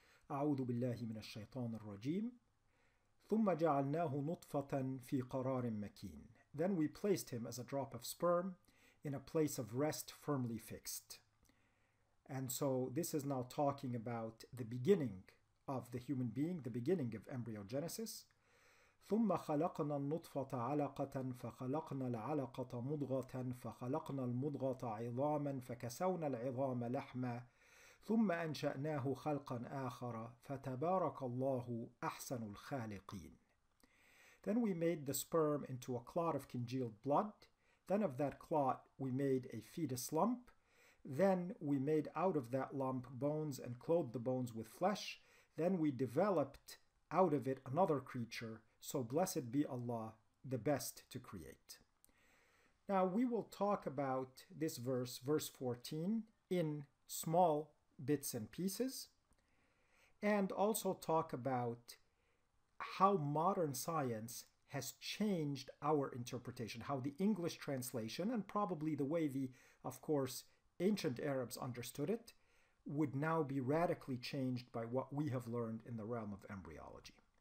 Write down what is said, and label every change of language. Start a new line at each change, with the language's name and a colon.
Arabic: أعوذ بالله من الشيطان الرجيم ثم جعلناه نطفة في قرار مكين.
English: Then we placed him as a drop of sperm in a place of rest firmly fixed. And so this is now talking about the beginning of the human being, the beginning of embryogenesis.
Arabic: ثم خلقنا النطفة علقة فخلقنا العلقة مضغة فخلقنا المضغة عظاما فكسونا العظام لحما ثم أنشأناه خلقا آخر فتبارك الله أحسن الخالقين.
English: Then we made the sperm into a clot of congealed blood. Then of that clot we made a fetus lump. Then we made out of that lump bones and clothed the bones with flesh. Then we developed out of it another creature. So blessed be Allah, the best to create. Now we will talk about this verse, verse 14, in small bits and pieces, and also talk about how modern science has changed our interpretation, how the English translation, and probably the way the, of course, ancient Arabs understood it, would now be radically changed by what we have learned in the realm of embryology.